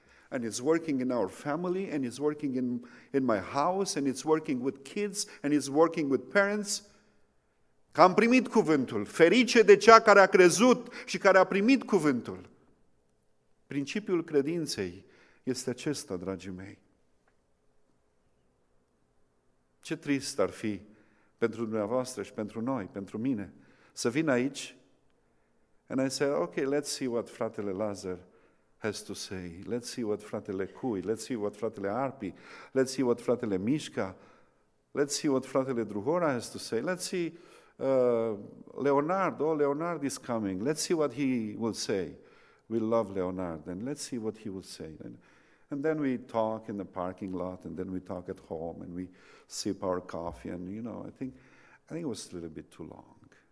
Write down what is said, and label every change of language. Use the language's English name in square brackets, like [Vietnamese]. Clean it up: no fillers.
[English] And it's working in our family, and it's working in my house, and it's working with kids, and it's working with parents. [Romanian] Că am primit cuvântul. Ferice de cea care a crezut și care a primit cuvântul. Principiul credinței este acesta, dragii mei. Ce trist ar fi pentru dumneavoastră și pentru noi, pentru mine, să vin aici [English] and I say, okay, let's see what fratele Lazar has to say. Let's see what fratele Cui, let's see what fratele Arpi, let's see what fratele Mișca, Let's see what fratele Druhora has to say. Let's see Leonard. Oh, Leonard is coming. Let's see what he will say. We love Leonard, and let's see what he will say. And then we talk in the parking lot, and then we talk at home, and we sip our coffee, and you know, I think it was a little bit too long.